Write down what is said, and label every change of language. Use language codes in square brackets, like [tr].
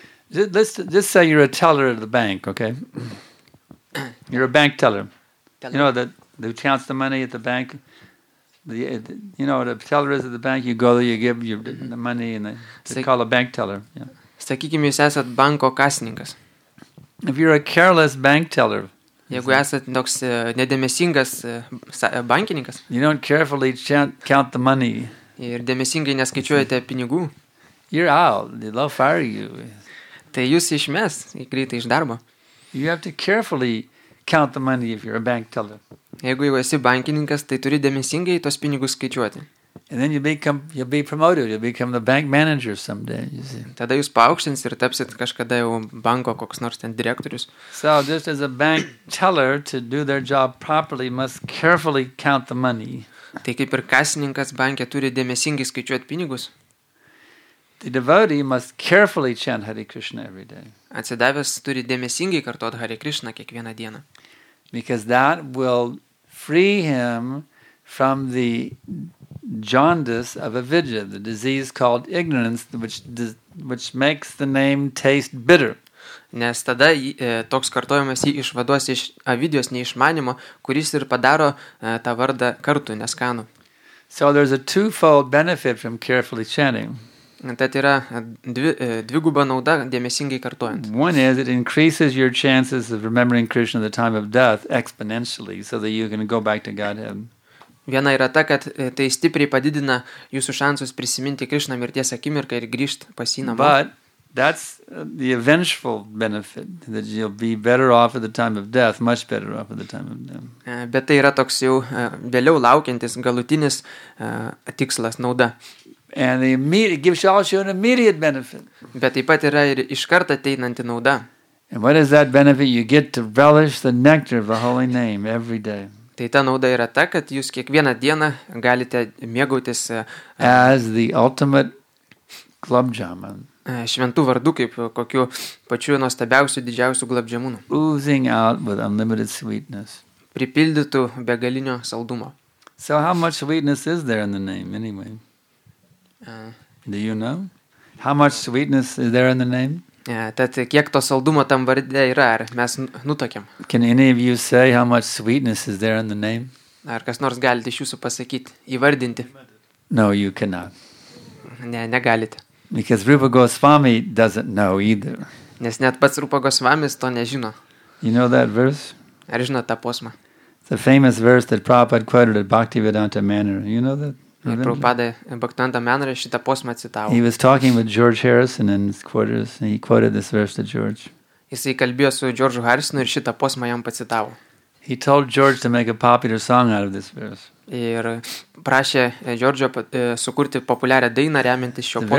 [en] Just say you're a teller at the bank, okay? You're a bank teller. You know that who counts the money at the bank? You know what a teller is at the bank? You go there, you give your the money and they call a bank teller. Yeah. [lt] Sakykime, jūs esat banko kasininkas. [en] If you're a careless bank teller, [lt] jeigu esat toks nedėmesingas bankininkas, [en] you don't carefully count the money, [lt] ir dėmesingai neskaičiuojate pinigų, [en] you're out, they'll fire you. [lt] Tai jūs išmes, greitai iš darbo. [en] You have to carefully count the money if you're a bank teller. [lt] Jeigu jau esi bankininkas, tai turi dėmesingai tuos pinigus skaičiuoti. [en] And then you'll be promoted, you'll become the bank manager someday, you see. [lt] Tada jūs paaukštins ir tapsit kažkada jau banko koks nors ten direktorius. [en] So just as a bank teller to do their job properly must carefully count the money. [lt] Tai kaip ir kasininkas banke turi dėmesingai skaičiuoti pinigus. [en] The devotee must carefully chant Hare Krishna every day. [lt] Atsidavęs turi dėmesingai kartot Hare Krishna kiekvieną dieną. [en] Because that will free him from the jaundice of avidya, the disease called ignorance, which makes the name taste bitter. [lt] Nes tada toks kartojimas jį išvados iš avidijos neišmanimo, kuris ir padaro tą vardą kartu neskanu. [en] So there's a twofold benefit from carefully chanting. [lt] Tad yra dviguba nauda dėmesingai kartojant. [en] One is it increases your chances of remembering Krishna at the time of death exponentially, so that you can go back to Godhead. [lt] Viena yra ta, kad tai stipriai padidina jūsų šansus prisiminti Krishna mirties akimirką ir grįžti pas jį namo. [en] But that's the eventual benefit, that you'll be better off at the time of death, much better off at the time of death. [lt] Bet tai yra toks jau vėliau laukiantis galutinis tikslas, nauda. [en] And it gives also an immediate benefit. [lt] Bet taip pat yra ir iš karto ateinanti nauda. [en] And what is that benefit? You get to relish the nectar of the holy name every day. [lt] Tai ta nauda yra ta, kad jūs kiekvieną dieną galite mėgautis [en] as the ultimate club jamun. [lt] Šventų vardų kaip kokiu pačiu nuostabiausiu didžiausiu glabžemūnu. [en] Oozing out with unlimited sweetness. [lt] Pripildytų begalinio saldumo. [en] So how much sweetness is there in the name anyway? Do you know? How much sweetness is there in the name? [lt] Tad kiek to saldumo tam varde yra, ar mes nutokiam? [en] Can any of you say how much sweetness is there in the name? [lt] Ar kas nors galite iš jūsų pasakyti, įvardinti? [en] No, you cannot. [lt] Ne, negalite. [en] Because Rupa Goswami doesn't know either. [lt] Nes net pats Rupa Goswamis to nežino. [en] You know that verse? [lt] Ar žinot tą posmą? [en] The famous verse that Prabhupada quoted at Bhaktivedanta Manor. You know that? [lt] Prabhupada Bhaktivedanta Manor šitą posmą citavo. [en] He was talking with George Harrison in his quarters and he quoted this verse to George. [lt] Jisai kalbėjo su George Harrisonu ir šitą posmą jam pacitavo. [en] He told George to make a popular song out of this verse. [lt] Ir prašė George'o sukurti populiarią dainą remiantis šio posmo.